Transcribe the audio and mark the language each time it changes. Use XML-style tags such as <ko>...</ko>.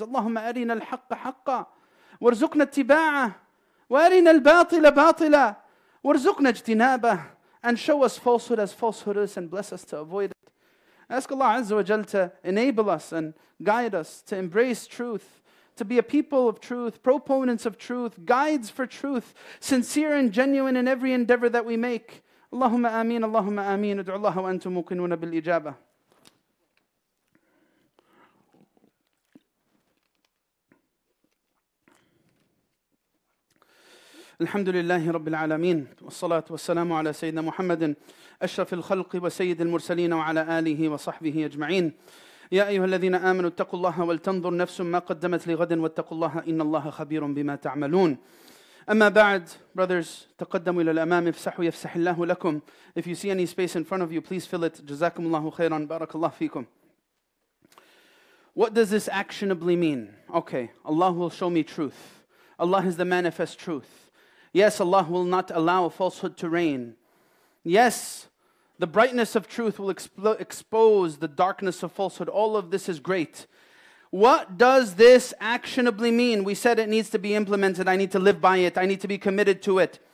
<ar>اللهم أرنا الحق حقا وارزقنا اتباعه وأرنا الباطل باطلا وارزقنا اجتنابه</ar> <en>and show us falsehood as falsehood is and bless us to avoid it. Ask Allah Azza wa Jal to enable us and guide us to embrace truth, to be a people of truth, proponents of truth, guides for truth, sincere and genuine in every endeavor that we make.</en> <ar>اللهم آمين اللهم آمين ادعوا الله وأنتم موقنون بالإجابة. الحمد لله رب العالمين والصلاة والسلام على سيدنا محمد أشرف الخلق وسيد المرسلين وعلى آله وصحبه أجمعين يا أيها الذين آمنوا اتقوا الله ولتنظر نفس ما قدمت لغد واتقوا الله إن الله خبير بما تعملون أما بعد brothers تقدموا إلى الأمام افسحوا يفسح الله لكم</ar> <en>if you see any space in front of you please fill it</en> <ar>جزاكم الله خيرا بارك الله فيكم</ar> <en>What does this actionably mean? Okay, Allah will show me truth. Allah is the manifest truth. Yes, Allah will not allow falsehood to reign. Yes, the brightness of truth will expose the darkness of falsehood. All of this is great. What does this actionably mean? We said it needs to be implemented. I need to live by it. I need to be committed to it.</en>